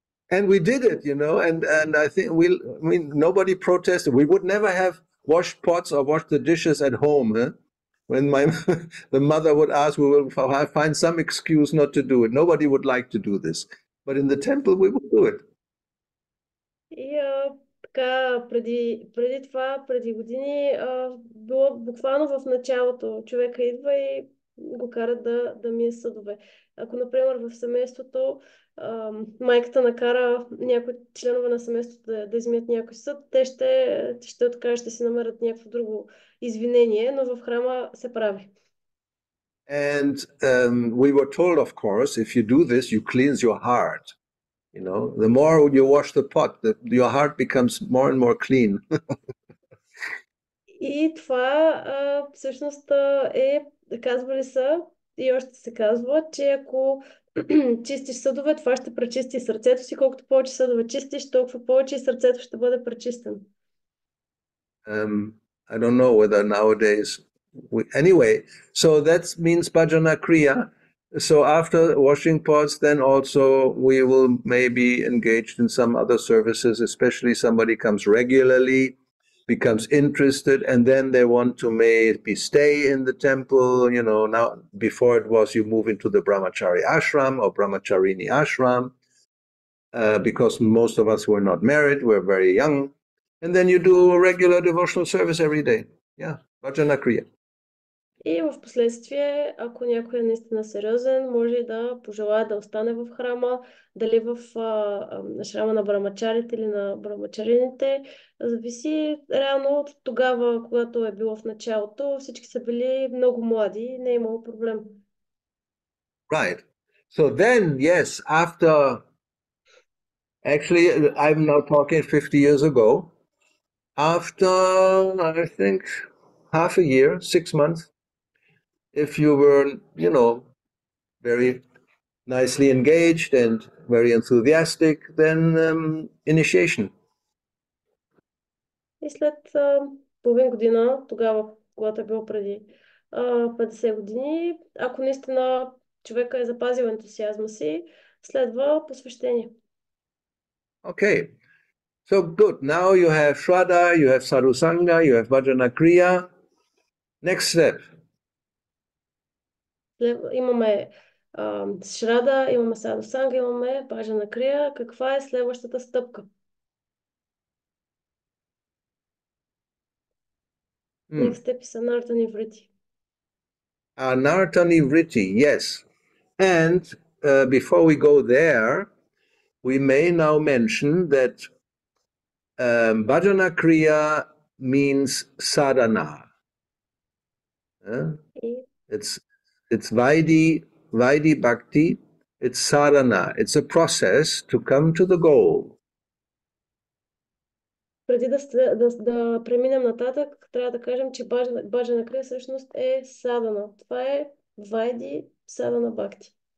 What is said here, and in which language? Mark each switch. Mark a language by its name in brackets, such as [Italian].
[English] And we did it, you know, and I think nobody protested. We would never have washed pots or washed the dishes at home, huh? When the mother would ask, we will find some excuse not to do it. Nobody would like to do this. But in the temple, we will do it. [Bulgarian] И така, преди това, преди години, било буквално в началото. Човека идва и го кара да мие съдове. Ако, например, в семейството майката накара някои членове на семейството да измият някой съд, те ще откажат, ще си намерят някакво друго извинение, но в храма се прави. [English] And we were told, of course, if you do this, you cleanse your heart. You know, the more you wash the pot, your heart becomes more and more clean. [Bulgarian] И това всъщност е, казвали са, и още се казва, че ако чистиш съдове, това ще пречисти сърцето си. Колкото повече съдове чистиш, толкова повече и сърцето ще бъде пречистено. [English] I don't know whether nowadays... Anyway, so that means bhajana kriya. So after washing pots, then also we will maybe engage in some other services, especially somebody comes regularly, becomes interested, and then they want to maybe stay in the temple. You know, now before it was you move into the brahmachari ashram or brahmacharini ashram, because most of us were not married, we're very young, and then you do a regular devotional service every day. Yeah, bhajana kriya. [Bulgarian] И в последствие, ако някой е наистина сериозен, може да пожелая да остане в храма, дали в храма на брамачарите или на брамачарините. Зависи реално от тогава, когато е било в началото, всички са били много млади и не е имало проблем. [English] Right. So then, yes, after... Actually, I'm now talking 50 years ago. After, I think... half a year, 6 months, if you were, you know, very nicely engaged and very enthusiastic, then initiation. [Bulgarian] И след половин година, тогава, когато е било преди 50 години, ако наистина човека е запазил ентусиазма си, следва посвещение. [English] Okay. So good. Now you have Shraddha, you have Sarusanga, you have Vajana Kriya. Next step. [Bulgarian] Имаме Shraddha, имаме Sarusanga, имаме Vajana Kriya. Каква е следващата стъпка? [English] Next step is Anartani Vritti. Anartani Vritti, yes. And before we go there, we may now mention that Bhajana Kriya means sadhana. It's Vaidhi-bhakti, it's sadhana. It's a process to come to the goal. [Bulgarian] Преди да преминем нататък, трябва да кажем, че Bhajana Kriya всъщност е садана. Това е Vaidhi Sadhana Bhakti.